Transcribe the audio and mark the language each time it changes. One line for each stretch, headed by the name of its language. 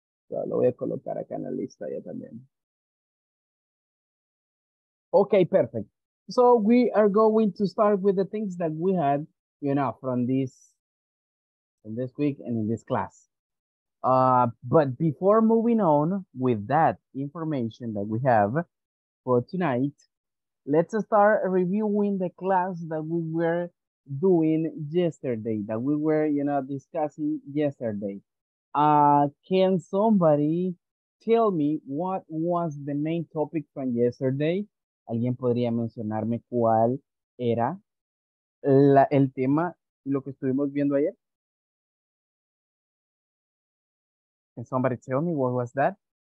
Spanish: So, lo voy a colocar acá en la lista ya también.
English: Okay, perfect. So we are going to start with the things that we had, you know, from this week and in this class. But before moving on with that information that we have for tonight, let's start reviewing the class that we were doing yesterday, that we were, you know, discussing yesterday. Can somebody tell me what was the main topic from yesterday?
Spanish: ¿Alguien podría mencionarme cuál era el tema, lo que estuvimos viendo ayer?
English: Can somebody tell me what was that?